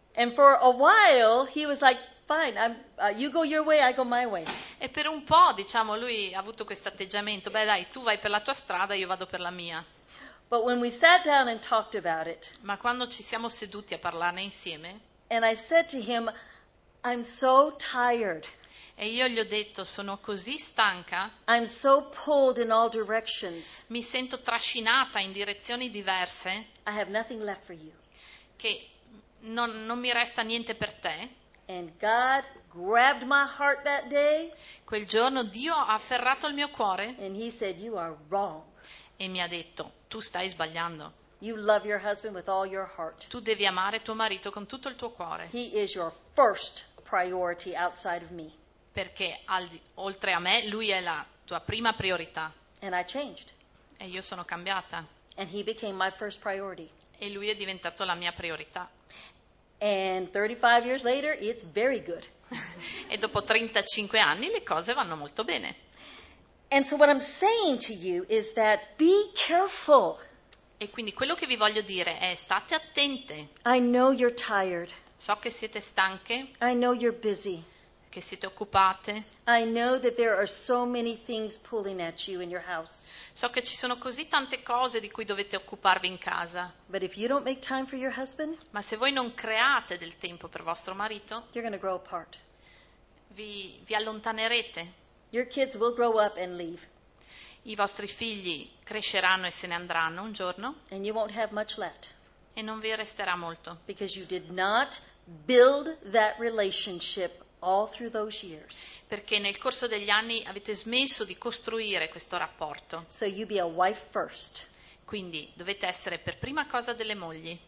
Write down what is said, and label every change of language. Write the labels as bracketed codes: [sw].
[en] And for a while he was like, fine, you go your way, I go my way. [it] E per un po', diciamo, lui ha avuto questo atteggiamento. Beh, dai, tu vai per la tua strada, io vado per la mia. [en] But when we sat down and talked about it, [it] ma quando ci siamo seduti a parlarne insieme, [en] and I said to him, I'm so tired. [it] E io gli ho detto, sono così stanca. [en] I'm so pulled in all directions. [it] Mi sento trascinata in direzioni diverse. [en] I have nothing left for you. [it] Che non mi resta niente per te. [en] And God grabbed my heart that day. [it] Quel giorno Dio ha afferrato il mio cuore. [en] And he said, you are wrong. [it] E mi ha detto, tu stai sbagliando. [en] You love your husband with all your heart. [it] Tu devi amare tuo marito con tutto il tuo cuore. [en] He is your first priority outside of me. [it] perché oltre a me lui è la tua prima priorità. [en] And I changed. [it] E io sono cambiata. [en] And he became my first priority. [it] E lui è diventato la mia priorità. [en] And 35 years later, it's very good. [it] E dopo 35 anni le cose vanno molto bene. [en] And so what I'm saying to you is that be careful. [it] E quindi quello che vi voglio dire è state attente. [en] I know you're tired. [it] So che siete stanche. [en] I know you're busy. [it] Che siete occupate. [en] I know that there are so many things pulling at you in your house. [it] So che ci sono così tante cose di cui dovete occuparvi in casa. [en] But if you don't make time for your husband, [it] ma se voi non create del tempo per vostro marito, [en] you're going to grow apart. [it] Vi allontanerete. [en] Your kids will grow up and leave. [it] I vostri figli cresceranno e se ne andranno un giorno. [en] And you won't have much left. [it] E non vi resterà molto. [en] Because you did not build that relationship all through those years. [it] Perché nel corso degli anni avete smesso di costruire questo rapporto. [en] So you be a wife first. [it] Quindi dovete essere per prima cosa delle mogli.